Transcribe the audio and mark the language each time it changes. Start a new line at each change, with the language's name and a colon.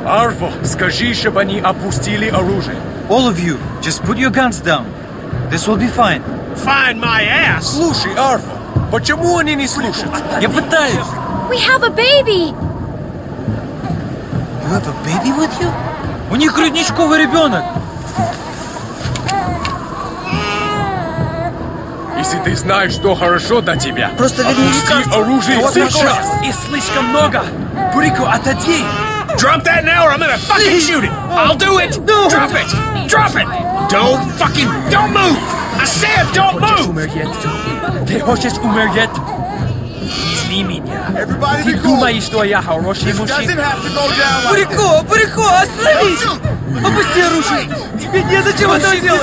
Russian: Arvo, скажи, чтобы они опустили оружие.
English: All of you, just put your guns down. This will be fine. Find my ass!
Russian: Слушай, Arvo, почему они не слушают? Я пытаюсь.
English: We have a baby! You have a baby with you?
Russian: У них грудничковый ребенок! Если ты знаешь, что хорошо для тебя, просто опусти оружие сейчас! Их слишком много! Бурико, отойди!
English: Drop that now or I'm gonna fucking shoot it! I'll do it! No. Drop it! Drop it! Don't fucking... Don't move! I said don't move!
Russian: Ты хочешь умереть?
English: Everybody be cool. This doesn't have to go down like this.
Russian: Бурико, Бурико, остановись! Опусти оружие! Тебе не зачем это делать!